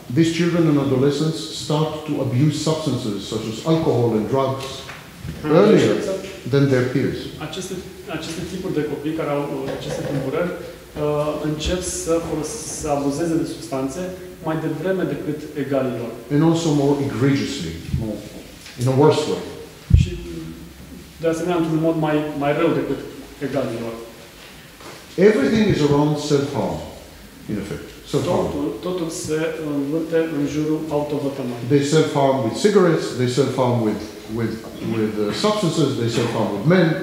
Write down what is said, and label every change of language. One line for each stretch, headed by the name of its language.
English: These children and adolescents start to abuse substances such as alcohol and drugs earlier than their peers.
Romanian: Aceste tipuri de copii care au aceste tulburări încep să abuzeze de substanțe mai devreme decât egalii lor.
English: And also more egregiously, more, in a worse way.
Romanian: Și de asemenea într-un mod mai rău decât egalii lor.
English: Everything is around self-harm, in effect.
Romanian: Totul se învârte în jurul autovătămării.
English: They self-harm with cigarettes, they self-harm with substances, they self-harm with men.